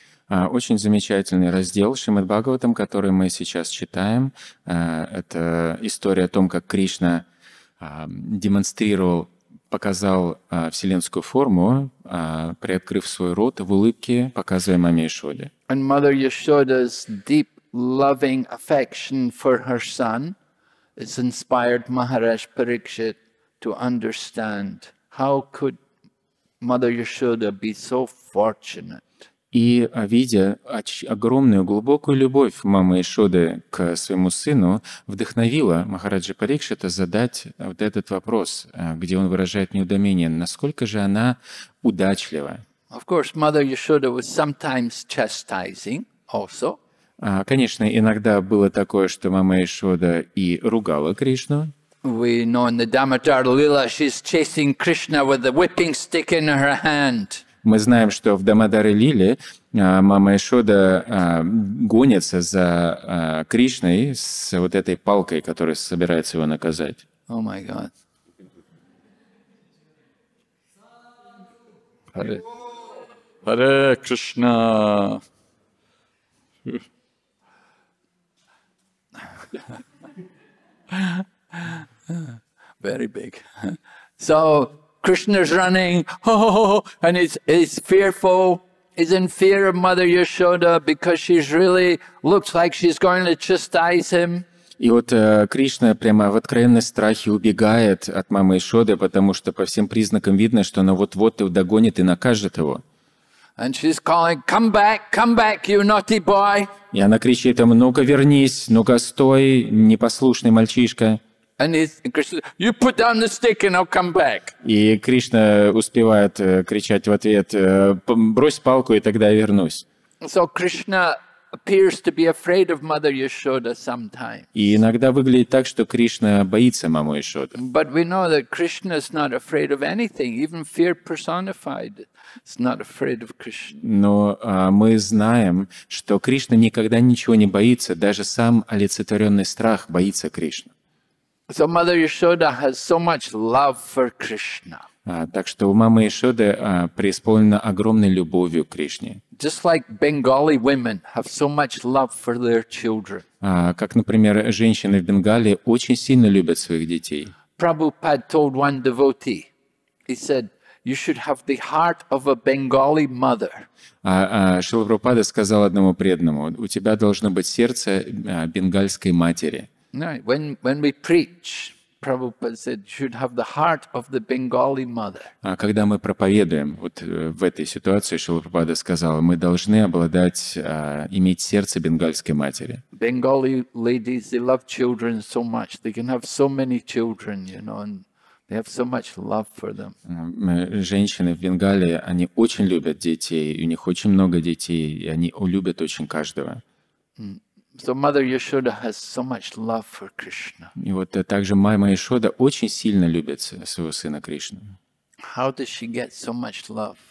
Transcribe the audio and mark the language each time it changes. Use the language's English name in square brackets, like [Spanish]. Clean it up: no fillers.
[Russian] Очень замечательный раздел Шримад Бхагаватам, который мы сейчас читаем. Это история о том, как Кришна демонстрировал, показал вселенскую форму, приоткрыв свой рот в улыбке, показывая маме Ишоде. [English] And Mother Yashoda's deep loving affection for her son has inspired Maharaj Parikshit to understand how could Mother Yashoda be so fortunate. [Russian] И видя огромную глубокую любовь мамы Ишоды к своему сыну, вдохновила Махараджа Парикшита задать вот этот вопрос, где он выражает неудомение, насколько же она удачлива. [English] Of course, Mother Yashoda was sometimes chastising also. [Russian] Конечно, иногда было такое, что мама Ишода и ругала Кришну. [English] We know in the Damodar Lila she's chasing Krishna with a whipping stick in her hand. [Russian] Мы знаем, что в Дамодаре Лиле мама Ишода гонится за Кришной с вот этой палкой, которая собирается его наказать. [English] Oh my God. Hare Krishna. Very big. So Krishna's running, and he's fearful. He's in fear of Mother Yashoda because she's really looks like she's going to chastise him. [Russian] И вот Кришна прямо в откровенной страхе убегает от мамы Ишоды, потому что по всем признакам видно, что она вот-вот его догонит и накажет его. [English] And she's calling, come back, you naughty boy. [Russian] И она кричит ему: ну-ка вернись, ну-ка стой, непослушный мальчишка. [English] And Krishna, you put down the stick and I'll come back. [Russian] И Кришна успевает кричать в ответ: брось палку, и тогда я вернусь. [English] So Krishna appears to be afraid of Mother Yashoda sometimes. [Russian] И иногда выглядит так, что Кришна боится маму Ишоды. [English] But we know that Krishna is not afraid of anything, even fear personified. Is not afraid of Krishna. [Russian] Но мы знаем, что Кришна никогда ничего не боится, даже сам олицетворенный страх боится Кришны. [English] So Mother Yashoda has so much love for Krishna. [Russian] Так что у мамы Ишоды преисполнена огромной любовью к Кришне. [English] Just like Bengali women have so much love for their children. [Russian] Как, например, женщины в Бенгалии очень сильно любят своих детей. [English] Prabhupada told one devotee, he said, you should have the heart of a Bengali mother. [Russian] Шрила Прабхупада сказал одному преданному: у тебя должно быть сердце бенгальской матери. [English] When we preach, Prabhupada said, you should have the heart of the Bengali mother. [Russian] Когда мы проповедуем, вот в этой ситуации Шрила Прабхупада сказал, мы должны обладать, иметь сердце бенгальской матери. [English] Bengali ladies, they love children so much. They can have so many children, you know, and they have so much love for them. [Russian] Женщины в Бенгалии, они очень любят детей, у них очень много детей, и они любят очень каждого. [English] So Mother Yashoda has so much love for Krishna. [Russian] И вот также мама Ишода очень сильно любит своего сына Кришну. [English] How does she get so much love?